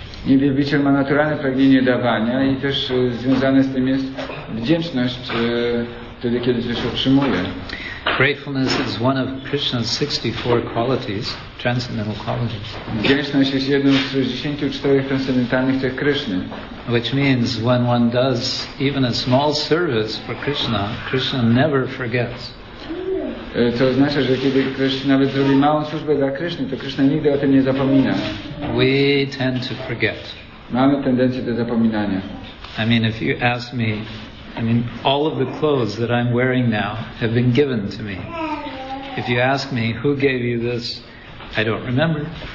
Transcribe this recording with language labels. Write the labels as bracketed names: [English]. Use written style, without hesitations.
[Polish] I wielbiciel ma naturalne pragnienie dawania i też związane z tym jest wdzięczność wtedy, kiedy coś otrzymuje. [English] Gratefulness is one of Krishna's 64 qualities, transcendental qualities. [Polish] Wdzięczność jest jedną z 64 transcendentalnych cech Krishny. [English] Which means when one does even a small service for Krishna, Krishna never forgets. [Polish] Co oznacza, że kiedy ktoś nawet zrobi małą służbę dla Krishny, to Krishna nigdy o tym nie zapomina. [English] We tend to forget. [Polish] Mamy tendencję do zapominania. [English] I mean, if you ask me, I mean, all of the clothes that I'm wearing now have been given to me. If you ask me, who gave you this, I don't remember.